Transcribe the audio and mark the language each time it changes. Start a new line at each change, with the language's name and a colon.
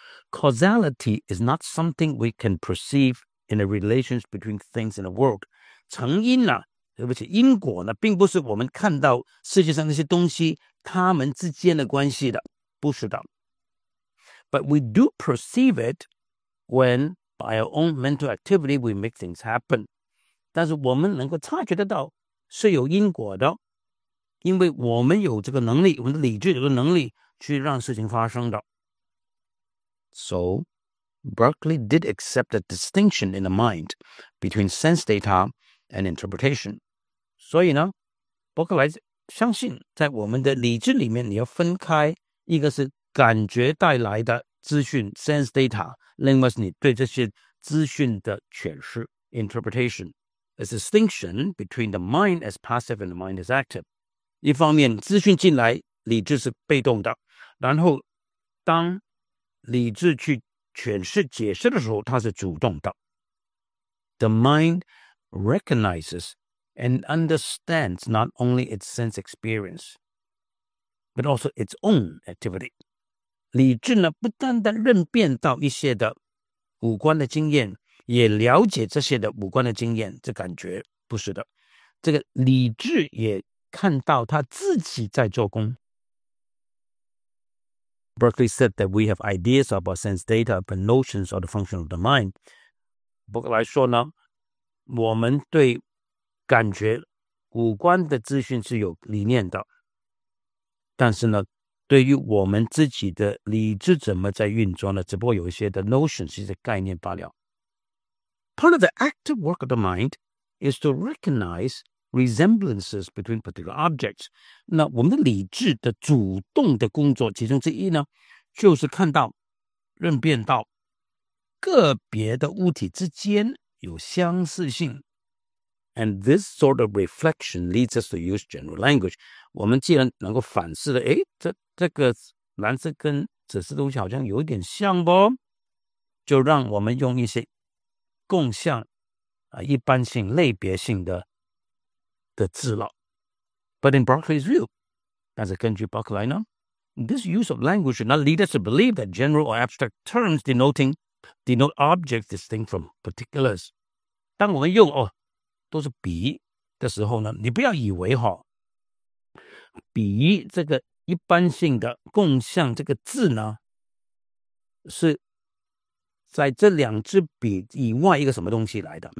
English: Causality is not something we can perceive in the relations between things in the world.
Chinese: 成因呢、啊，对不起，因果呢，并不是我们看到世界上那些东西。他们之间的关系的，不是的。
English: But we do perceive it when, by our own mental activity, we make things happen.
Chinese: 但是我们能够察觉得到是有因果的，因为我们有这个能力，我们的理智有个能力去让事情发生的。
English: So, Berkeley did accept a distinction in the mind between sense data and interpretation.
Chinese: 所以呢，伯克莱相信在我们的理智里面你要分开一个是感觉带来的资讯 sense data， 另外是你对这些资讯的诠释 interpretation，
English: a distinction between the mind as passive and the mind as active。
Chinese: 一方面资讯进来理智是被动的，然后当理智去诠释解释的时候它是主动的。
English: The mind recognizesand understands not only its sense experience, but also its own activity.
Chinese: 理智呢，不单单认辨到一些的五官的经验，也了解这些的五官的经验，这感觉不是的。这个理智也看到他自己在做工。
English: Berkeley said that we have ideas about sense data, but notions of the function of the mind.
Chinese: 伯克莱说呢，我们对感觉五官的资讯是有理念的，但是呢，对于我们自己的理智怎么在运作呢，只不过有一些的 notion 是一些概念罢了。
English: Part of the active work of the mind is to recognize resemblances between particular objects.
Chinese: 那我们的理智的主动的工作其中之一呢，就是看到、认辨到个别的物体之间有相似性。
English: And this sort of reflection leads us to use general language.
Chinese: 我们既然能够反思了，诶，这个蓝色跟紫色东西好像有点像不？就让我们用一些共像、一般性、类别性的字了。
English: But in Berkeley's view,
Chinese: 但是根据伯克莱呢，
English: this use of language should not lead us to believe that general or abstract terms denote objects distinct from particulars.
Chinese: 当我们用哦都是笔的时候呢，你不要以为哈，笔这个一般性的共像这个字呢，是在这两支笔以外一个什么东西来的？